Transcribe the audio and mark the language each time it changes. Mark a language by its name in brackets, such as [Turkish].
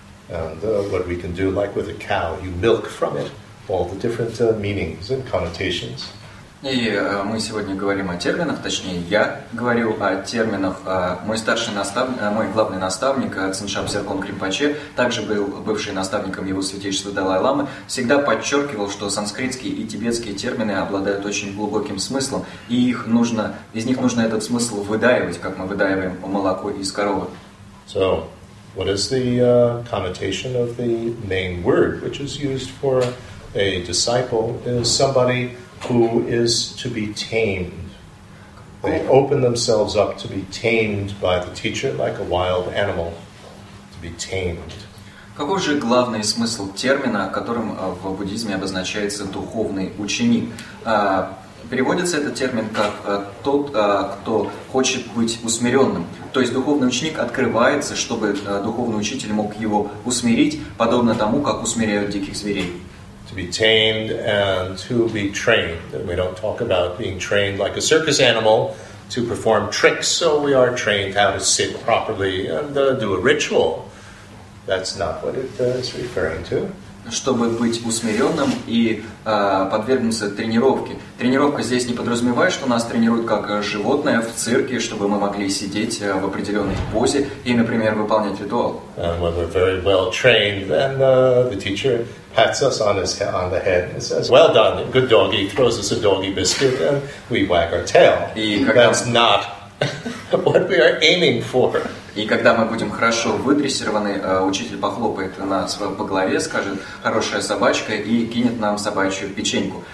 [English] And what we can do, like with a cow, you milk from it all the different meanings and connotations. [Russian] И мы сегодня говорим о терминах, точнее, я говорю о терминах. Мой главный наставник, Циншам Серкон Кримпаче, также был бывший наставником его святейшества Далай-ламы, всегда подчеркивал, что санскритские и тибетские термины обладают очень глубоким смыслом, и из них нужно этот смысл выдаивать, как мы выдаиваем молоко из коровы. [English] So, what is the connotation of the main word, which is used for a disciple, is somebody who is to be tamed. They open themselves up to be tamed by the teacher, like a wild animal, to be tamed. [Russian] Какой же главный смысл термина, которым в буддизме обозначается духовный ученик? Переводится этот термин как тот, кто хочет быть усмиренным. То есть духовный ученик открывается, чтобы духовный учитель мог его усмирить, подобно тому, как усмиряют диких зверей. [English] To be tamed and to be trained. We don't talk about being trained like a circus animal to perform tricks, so we are trained how to sit properly and do a ritual. That's not what it is referring to. [Russian] Чтобы быть усмиренным и подвергнуться тренировке. Тренировка здесь не подразумевает, что нас тренируют как животное в цирке, чтобы мы могли сидеть в определенной позе и, например, выполнять ритуал. [English] And when we're very well trained, then the teacher pats us on the head and says, "Well done, good doggy," throws us a doggy biscuit, and we wag our tail. That's not what we are aiming for. [Russian] И когда мы будем хорошо выдрессированы, учитель похлопает нас по голове, скажет «хорошая собачка» и кинет нам собачью печеньку.